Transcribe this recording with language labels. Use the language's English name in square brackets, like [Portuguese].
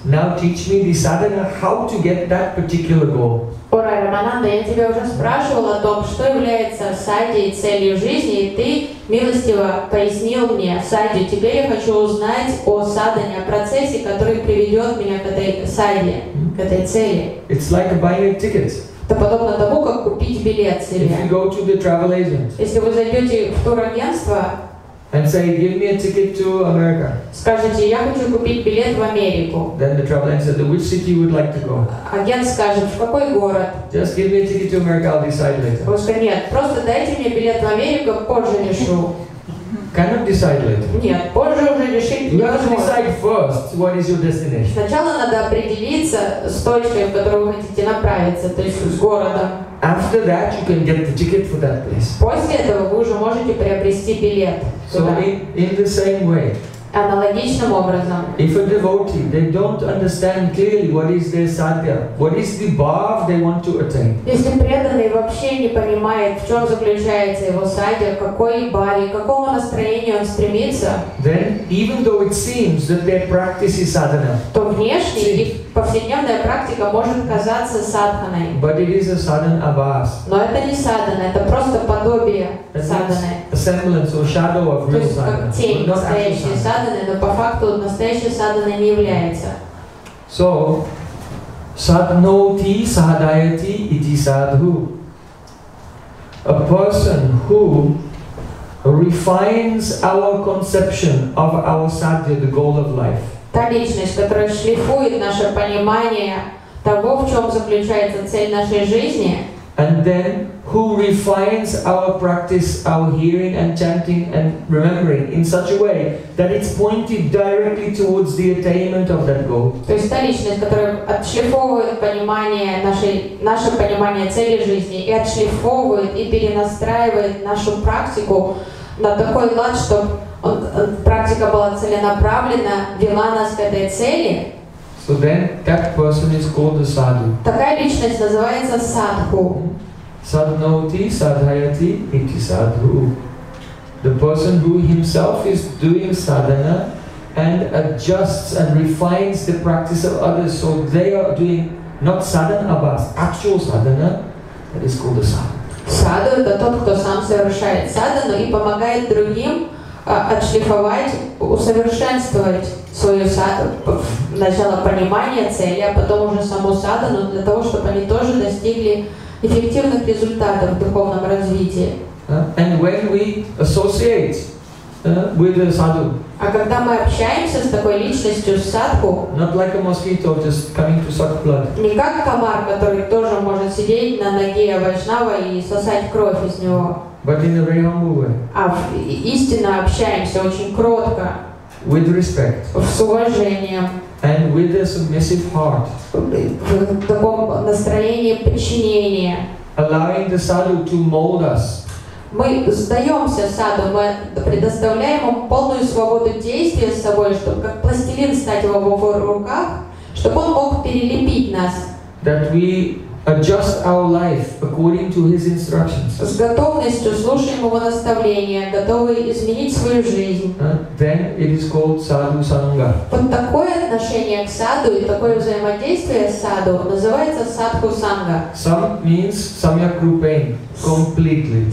[English] Now teach me the sadhana, how to get that particular goal. [Russian] О, Рай Рамананда, я тебя уже спрашивал о том, что является садхьей, целью жизни, и ты милостиво пояснил мне садхью. Теперь я хочу узнать о садхане, о процессе, который приведет меня к этой садхье, к этой цели. [English] It's like a buying a ticket. [Russian] Это подобно тому, как купить билет себе. [English] If you go to the travel agent. [Russian] Если вы зайдете в турагентство, [English] and say, give me a ticket to America. [Russian] Скажите, я хочу купить билет в Америку. [English] Then the travel agent said, which city you would like to go? [Russian] Агент скажет, в какой город? [English] Just give me a ticket to America, I'll decide later. [Russian] Просто нет, просто дайте мне билет в Америку, позже решу. [English] Cannot decide later. [Russian] Нет, позже уже решить. [English] You have to decide first what is your destination. [Russian] Сначала надо определиться с точкой, в которую вы хотите направиться, то есть с городом. [English] After that, you can get the ticket for that place. [Russian] После этого вы уже можете приобрести билет. [English] So in the same way. [Russian] Аналогичным образом. [English] If a devotee, they don't understand clearly what is their sadhya, what is the bhav they want to attain. [Russian] Если преданный вообще не понимает, в чем заключается его садья, какой бхаве, какому настроению он стремится. [English] Then even though it seems that their practice is sadhana. [Russian] То внешне их повседневная практика может казаться садханой. [English] But it is a sadhana abhas. [Russian] Но это не садхана, это просто подобие садханы. [English] a semblance or shadow of real sadhana. So, [Sanskrit] sadhnoti sadhayati iti sadhu. [English] A person who refines our conception of our sadhya, the goal of life. [Russian] Та личность, которая шлифует наше понимание того, в чем заключается цель нашей жизни. [English] And then, who refines our practice, our hearing and chanting and remembering in such a way that it's pointed directly towards the attainment of that goal. [Russian] То есть та личность, которая отшлифовывает понимание наше понимание цели жизни и отшлифовывает и перенастраивает нашу практику на такой лад, чтобы практика была целенаправлена, вела нас к этой цели. [English] So then, that person is called a sadhu. [Russian] Такая личность называется садху. [Sanskrit] Sadhnoti, sadhayati, iti sadhu. [English] The person who himself is doing sadhana and adjusts and refines the practice of others so they are doing not sadhana, but actual sadhana, that is called a sadhu. [Russian] Sadhu – это тот, кто сам совершает sadhana и помогает другим отшлифовать, усовершенствовать свою sadhu. Сначала понимание цели, а потом уже саму sadhana для того, чтобы они тоже достигли эффективных результатов в духовном развитии. [English] And when we associate with the sadhu. [Russian] А когда мы общаемся с такой личностью, с садху, [English] not like a mosquito just coming to suck blood. [Russian] Не как комар, который тоже может сидеть на ноге вайшнава и сосать кровь из него. [English] But in a very humble way. [Russian] А истинно общаемся очень кротко. [English] With respect. [Russian] С уважением. [English] And with a submissive heart. [Russian] В таком настроении подчинения. [English] Allowing the sadhu to mold us. [Russian] Мы сдаемся саду, мы предоставляем ему полную свободу действия с собой, чтобы как пластилин стать его в его руках, чтобы он мог перелепить нас. [English] That we adjust our life according to his instructions. [Russian] С готовностью слушаем его наставления, готовы изменить свою жизнь. [English] Then it is called sadhu sangha. [Russian] Вот такое отношение к саду и такое взаимодействие с саду называется садху санга. [English] Sam means [Sanskrit] samyak rupena, [English] completely.